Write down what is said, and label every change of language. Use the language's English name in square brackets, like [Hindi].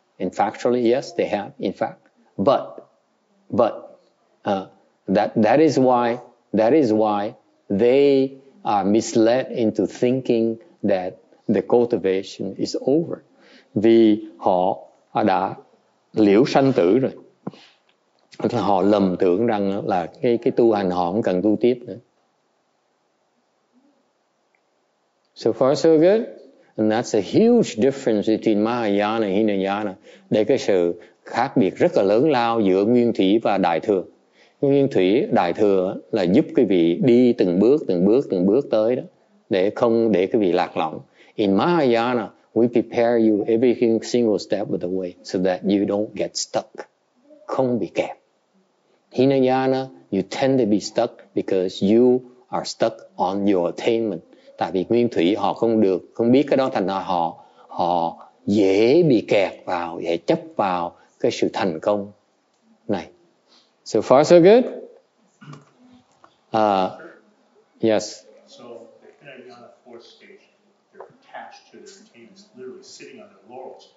[English] In factually, yes, they have, in fact. But that is why they are misled into thinking that the cultivation is over. [Vietnamese] Vì họ đã liễu sanh tử rồi. Họ lầm tưởng rằng là cái tu hành họ không cần tu tiếp nữa. [English] So far so good. And that's a huge difference between Mahayana and Hinayana. [Vietnamese] Đây cái sự khác biệt rất là lớn lao giữa Nguyên Thủy và Đại Thừa. Nguyên Thủy, Đại Thừa là giúp quý vị đi từng bước tới đó, để không để quý vị lạc lõng. [English] In Mahayana, we prepare you every single step of the way so that you don't get stuck. [Vietnamese] Không bị kẹp. [English] Hinayana, you tend to be stuck because you are stuck on your attainment. [Vietnamese] Tại vì Nguyên Thủy họ không được, không biết cái đó, thành ra họ dễ bị kẹt vào, dễ chấp vào cái sự thành công này. [English] So far so good? Yes. So the Hinayana fourth stage, they're attached to their attainments, literally sitting on their laurels.